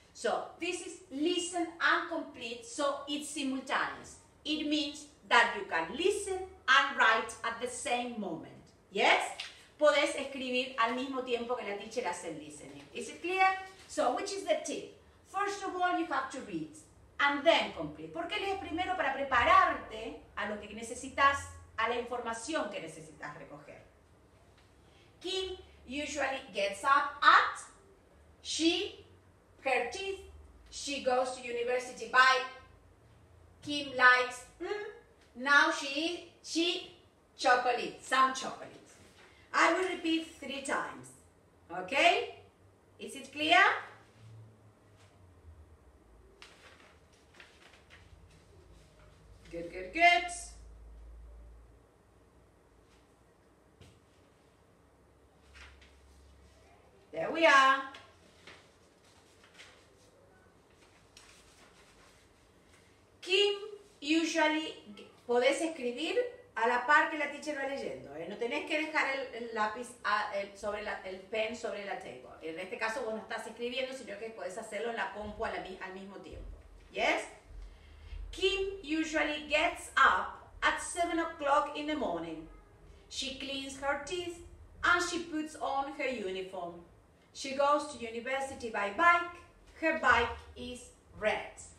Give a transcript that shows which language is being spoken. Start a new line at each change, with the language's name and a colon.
English: So, this is listen and complete, so it's simultaneous. It means that you can listen and write at the same moment. Yes?
Spanish: Podés escribir al mismo tiempo que la teacher hace el listening.
English: Is it clear? So, which is the tip? First of all, you have to read and then complete.
Spanish: ¿Por qué lees primero? Para prepararte a lo que necesitas, a la información que necesitas recoger.
English: Kim usually gets up at, she, her teeth, she goes to university by, Kim likes, now she, chocolate, some chocolate. I will repeat 3 times, okay? Is it clear? Good, good, good. There we are. Kim usually,
Spanish: podés escribir a la par que la teacher va leyendo. No tenés que dejar el lápiz el pen sobre la table. En este caso vos no estás escribiendo, sino que podés hacerlo en la compu al mismo tiempo.
English: Yes? Kim usually gets up at 7 o'clock in the morning. She cleans her teeth and she puts on her uniform. She goes to university by bike. Her bike is red.